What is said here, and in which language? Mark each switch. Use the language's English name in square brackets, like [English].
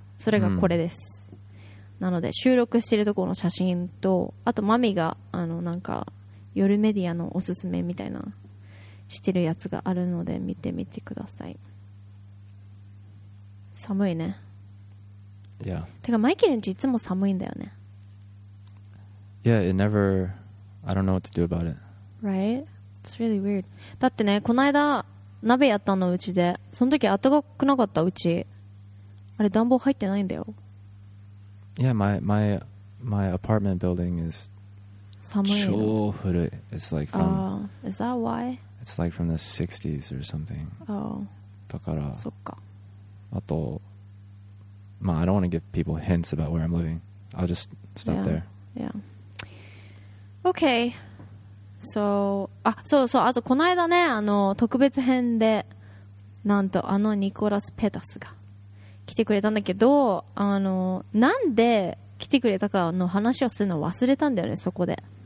[Japanese] それがこれです、なので収録しているところの写真とあとマミがあのなんか夜メディアのおすすめみたいなしてるやつがあるので見てみてください。寒いね。いや、てかマイケルんちいつも寒いんだよね。 [English] Yeah, it never I don't know what to do about it. Right? It's really weird. [Japanese] だってね、この間鍋やったのうちで、その時暖かくなかった、うちあれ暖房入ってないんだよ。 [English] Yeah, my apartment building is [Japanese] 寒い。 [English] 超古い。 It's like from is that why? It's like from the 60s or something. Oh. [Japanese] だから、そっか。 [English] あと、まあ、 I don't want to give people hints about where I'm living. I'll just stop there. Yeah. Okay. [Japanese] So, あとこの間ね、あの特別編でなんとあのニコラス・ペタスが来てくれたんだけど、あのなんで来てくれたかの話をするのを忘れたんだよね、そこで。